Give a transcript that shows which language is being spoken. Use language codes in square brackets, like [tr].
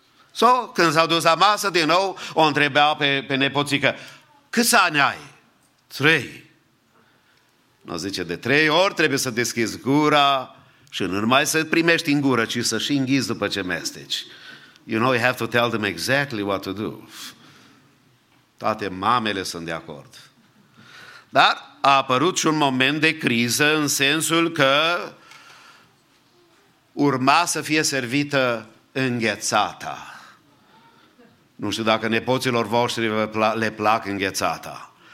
[ro] So, când s-au dus la masă, din nou o întrebea pe nepoțică: câți ani ai? 3. N-o zice, de 3 ori trebuie să deschizi gura și nu numai să primești în gură, ci să și înghizi după ce mesteci. [en] You know, you have to tell them exactly what to do. [ro] Toate mamele sunt de acord. Dar a apărut și un moment de criză, în sensul că urma să fie servită înghețata. Nu știu dacă nepoților voștri le plac înghețata.